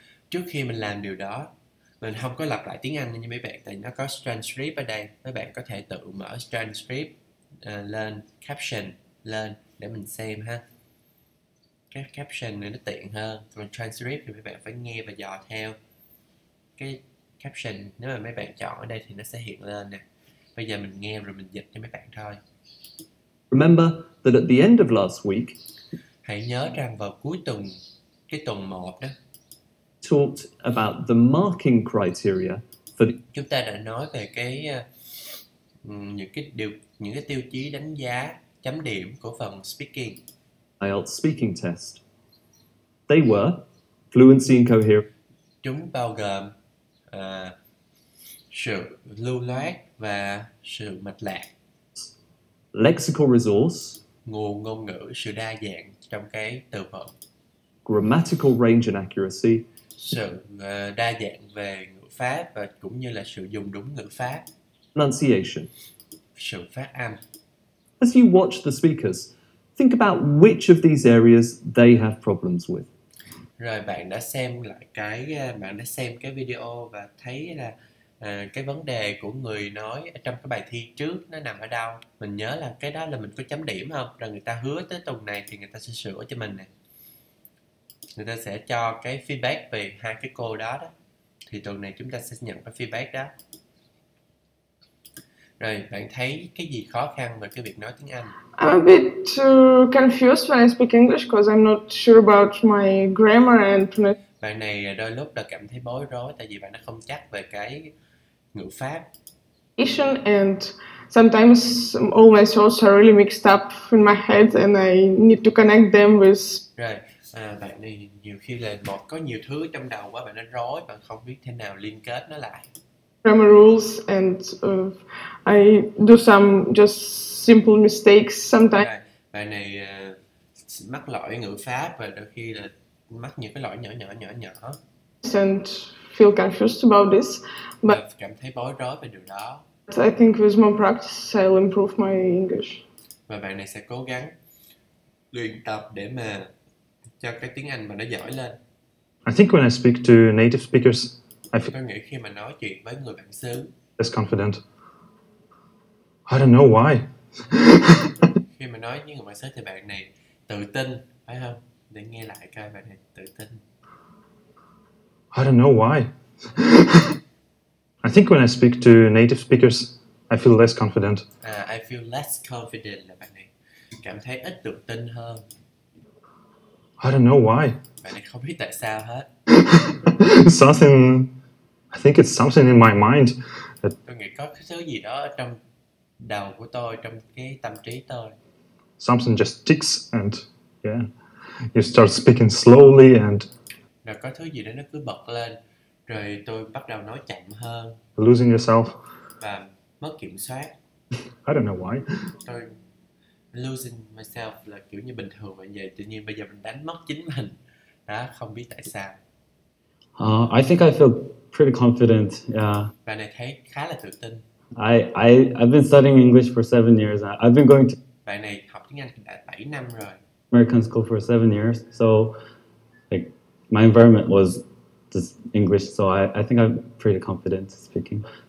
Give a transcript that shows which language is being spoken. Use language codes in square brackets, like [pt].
[vi] trước khi mình làm điều đó, mình không có lặp lại tiếng Anh như mấy bạn, tại nó có transcript ở đây, mấy bạn có thể tự mở transcript lên, caption lên để mình xem ha. Cái caption này nó tiện hơn, còn transcript thì mấy bạn phải nghe và dò theo. Cái caption nếu mà mấy bạn chọn ở đây thì nó sẽ hiện lên nè. Bây giờ mình nghe rồi mình dịch cho mấy bạn thôi. [en] Remember that at the end of last week, [vi] hãy nhớ rằng vào cuối tuần, cái tuần 1 đó, [en] talked about the marking criteria for the... [vi] chúng ta đã nói về cái những cái tiêu chí đánh giá chấm điểm của phần speaking [en] IELTS speaking test. They were fluency and coherence. [vi] Chúng bao gồm sự lưu loát và sự mạch lạc. [en] Lexical resource, [vi] nguồn ngôn ngữ, sự đa dạng trong cái từ vựng. [en] Grammatical range and accuracy, [vi] sự đa dạng về ngữ pháp và cũng như là sử dụng đúng ngữ pháp. [en] Pronunciation, [vi] sự phát âm. [en] As you watch the speakers, think about which of these areas they have problems with. [vi] Rồi bạn đã xem lại cái bạn đã xem cái video và thấy là cái vấn đề của người nói trong cái bài thi trước nó nằm ở đâu. Mình nhớ là cái đó là mình có chấm điểm không? Rồi người ta hứa tới tuần này thì người ta sẽ sửa cho mình nè. Người ta sẽ cho cái feedback về hai cái cô đó đó. Thì tuần này chúng ta sẽ nhận cái feedback đó. Rồi, bạn thấy cái gì khó khăn về cái việc nói tiếng Anh? [en] I'm a bit too confused when I speak English because I'm not sure about my grammar and pronunciation. [vi] Bạn này đôi lúc là cảm thấy bối rối tại vì bạn đã không chắc về cái ngữ pháp. [en] And sometimes all my thoughts are really mixed up in my head and I need to connect them with... [vi] Rồi, bạn này nhiều khi là một có nhiều thứ trong đầu quá, bạn nó rối, bạn không biết thế nào liên kết nó lại. [en] Grammar rules and I do some just simple mistakes sometimes. [vi] Bạn này mắc lỗi ngữ pháp và đôi khi là mắc những cái lỗi nhỏ nhỏ. [en] And feel confused about this. But [vi] cảm thấy bối rối về điều đó. [en] I think with more practice I'll improve my English. [vi] Và bạn này sẽ cố gắng luyện tập để mà cho cái tiếng Anh mà nó giỏi lên. [en] I think when I speak to native speakers, [vi] tôi nghĩ khi mà nói chuyện với người bản xứ, [en] less confident. I don't know why. [vi] Khi mà nói với người bản xứ thì bạn này tự tin, phải không? Để nghe lại coi bạn này tự tin. [en] I don't know why. I think when I speak to native speakers, I feel less confident. I feel less confident [vi] là bạn này cảm thấy ít tự tin hơn. [en] I don't know why. [vi] Bạn này không biết tại sao hết. [en] Something, I think it's something in my mind. That [vi] tôi nghĩ có cái thứ gì đó trong đầu của tôi, trong cái tâm trí tôi. [en] Something just ticks and yeah, you start speaking slowly and [vi] rồi có thứ gì đó nó cứ bật lên, rồi tôi bắt đầu nói chậm hơn. [en] Losing yourself. [vi] Và mất kiểm soát. [en] I don't know why. [vi] Tôi [en] losing myself [vi] là kiểu như bình thường vậy, vậy tự nhiên bây giờ mình đánh mất chính mình. Đó, không biết tại sao. [en] I think I feel pretty confident. Yeah. [vi] Bạn này thấy khá là tự tin. [en] I've been studying English for 7 years. I've been going to [vi] bạn này học tiếng Anh đã 7 năm rồi. [en] American school for 7 years. So like my environment was just English, so I think I'm pretty confident speaking.